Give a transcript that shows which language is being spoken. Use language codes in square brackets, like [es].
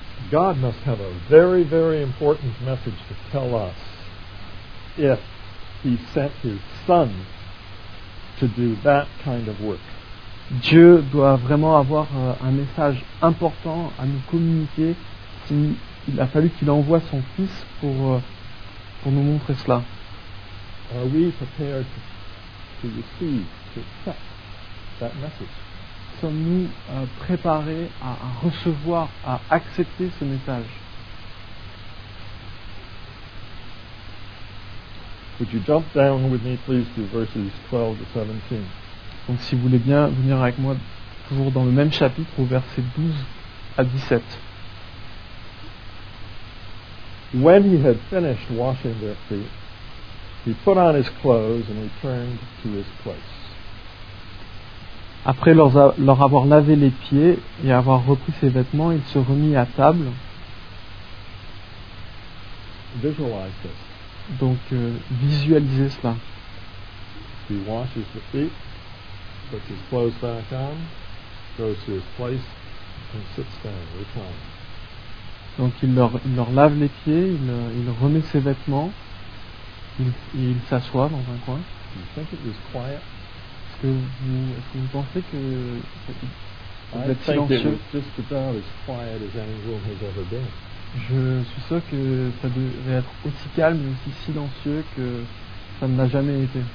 [en] God must have a very, very important message to tell us if he sent his son to do that kind of work. [fr] Dieu doit vraiment avoir un message important à nous communiquer s'il a fallu qu'il envoie son fils pour nous montrer cela. [en] Are we prepared to receive, to accept that message? [fr] Sommes-nous préparés à recevoir, à accepter ce message? [en] Would you jump down with me, please, to verses 12 to 17? [fr] Donc, si vous voulez bien venir avec moi, toujours dans le même chapitre, au verset 12 à 17. [en] When he had finished washing their feet, he put on his clothes and returned to his place. [fr] Après leur avoir lavé les pieds et avoir repris ses vêtements, il se remit à table. [en] Visualize this. [fr] Donc, visualisez cela. [en] He washes the feet, puts his clothes back on, goes to his place, and sits down, reclines. [fr] Donc, il leur lave les pieds, il remet ses vêtements, il s'assoit dans un coin. [en] You think it was quiet? [fr] Est-ce que vous pensez que vous êtes silencieux? Je suis sûr que ça devait être aussi calme et aussi silencieux que ça ne l'a jamais été.